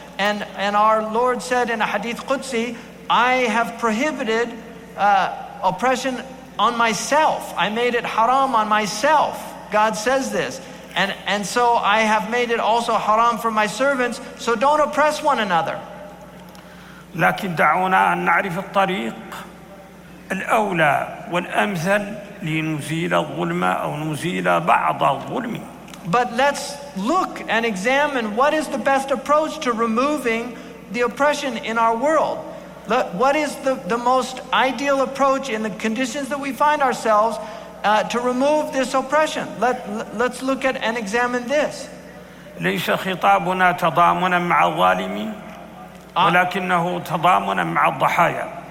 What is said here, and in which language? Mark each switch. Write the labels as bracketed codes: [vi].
[en] And our Lord said in a hadith Qudsi, I have prohibited oppression on myself. I made it haram on myself. God says this. And so I have made it also haram for my servants. So don't oppress one another. [ar] لكن دعونا أن نعرف الطريق الأولى والأمثل لنزيل الظلم أو نزيل بعض الظلم. [en] But let's look and examine what is the best approach to removing the oppression in our world. What is the most ideal approach in the conditions that we find ourselves to remove this oppression? Let's look at and examine this. [ar] ليس خطابنا تضامنا مع الظالمين ولكنه تضامنا مع الضحايا.